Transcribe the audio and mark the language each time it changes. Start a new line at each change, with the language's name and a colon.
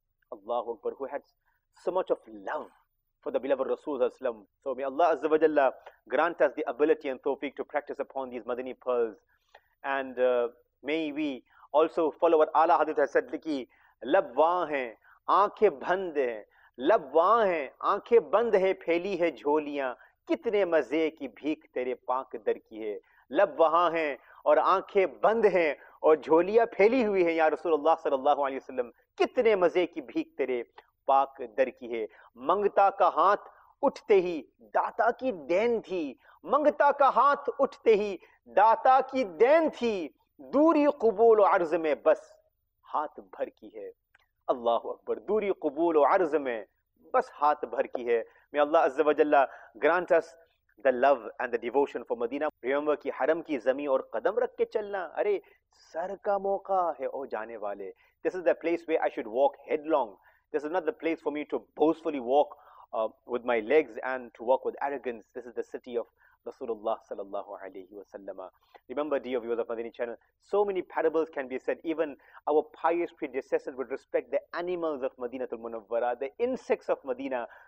English: Allahu Akbar, who had so much of love for the beloved Rasul sallallahu alayhi wa sallam. So may Allah Azza wa Jalla grant us the ability and tawfiq to practice upon these Madani pearls. And may we also follow what Ala Hadith has said,
Urdu: ki lab wa hain, آنکھیں بند ہیں لب واں ہیں آنکھیں بند ہیں پھیلی ہے جھولیاں کتنے مزے کی بھیک تیرے پاک در کی ہے. لب وہاں ہیں اور آنکھیں بند ہیں اور جھولیاں پھیلی ہوئی ہیں یا رسول اللہ صلی اللہ علیہ وسلم کتنے مزے کی بھیک تیرے پاک در کی ہے. منگتا کا ہاتھ اٹھتے ہی داتا کی دین تھی, منگتا کا ہاتھ اٹھتے ہی داتا کی دین تھی, دوری قبول و عرض میں بس ہاتھ بھر کی ہے. اللہ اکبر, دوری قبول و عرض میں بس ہاتھ بھر کی ہے.
English: May Allah عز و جل grant us the love and the devotion for Medina. remember
Urdu: کی حرم کی زمین اور قدم رکھ کے چلنا, ارے سر کا موقع ہے او جانے والے.
English: This is the place where I should walk headlong. This is not the place for me to boastfully walk with my legs and to walk with arrogance. This is the city of Rasulullah sallallahu alayhi wa sallam. Remember, dear viewers of Madini channel, so many parables can be said. Even our pious predecessors would respect the animals of Madinatul Munawwara, the insects of Madina.